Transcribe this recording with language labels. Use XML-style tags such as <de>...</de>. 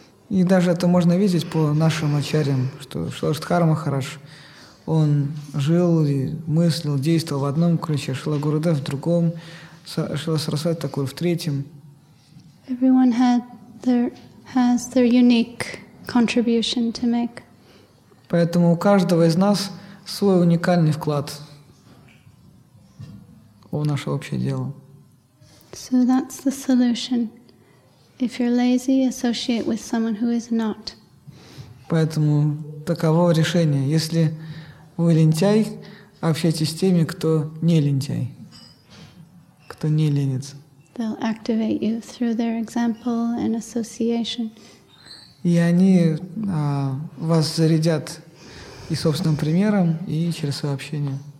<ru>И даже это можно видеть по нашим ачарьям, что Шрила Шридхар Махарадж, он жил и мыслил, действовал в одном ключе, Шрила Гурудев в другом, Шрила Сарасвати Такур в третьем.</ru> <en>Everyone has their unique contribution to make.</en> <ru>Поэтому у каждого из нас свой уникальный вклад в наше общее дело.</ru> <en>So that's the solution. If you're lazy, associate with someone who is not.</en> <ru>Поэтому таково решение. Если вы лентяй, общайтесь с теми, кто не лентяй, кто не ленится.</ru> <en>They'll activate you through their example and association.</en> <ru>И они вас зарядят и собственным примером, и через свое общение.</ru>